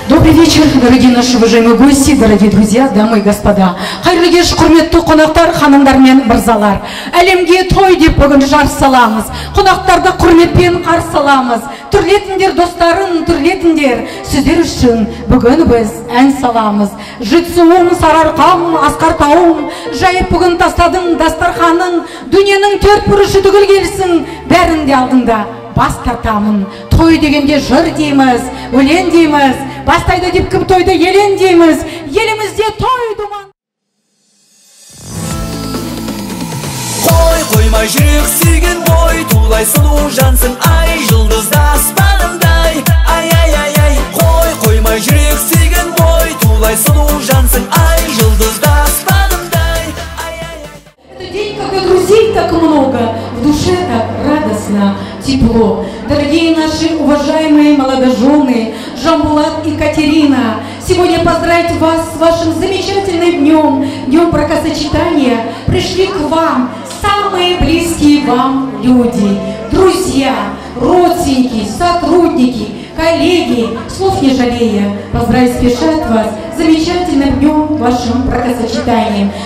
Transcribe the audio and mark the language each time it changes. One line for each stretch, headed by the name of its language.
Russian: вечер, дорогие наши уважаемые гости, дорогие друзья, дамы и господа.
Kazakh: Хайырлы кеш, құрметті қонақтар, ханымдар мен мырзалар. Әлемге той деп бүгін жар саламыз. Қонақтарды құрметпен қарсы аламыз. Түрлетіндер, достарын, түрлетіндер. Сіздер үшін бүгін біз ән саламыз. Жүтсуым, сарарқам, асқартауым. Жайып бүгін тастадың дастарханың. Дүниенің төрт бұрышы түгіл келсін. Бәрін де алдыңда бас тартамын. Той дегенде жыр дейміз, өлең дейміз. Бастайды деп кім тойды елен дейміз. Елімізде той думан. Қой қоймай жүрек сүйген бой, тулай сұлу жансың ай, жұлдызда аспанымдай. Ай ай ай ай. Қой қоймай жүрек сүйген бой, тулай сұлу жансың ай, жұлдызда аспанымдай. Ай ай ай.
Russian: Этот день, как и друзей так много, в душе так радостно, тепло. Дорогие наши уважаемые молодожены, Жанбулат и Катерина, сегодня поздравить вас с вашим замечательным днем, днем бракосочетания, пришли к вам самые близкие вам люди, друзья, родственники, сотрудники, коллеги, слов не жалея, поздравить спешат вас замечательным днем вашим бракосочетанием.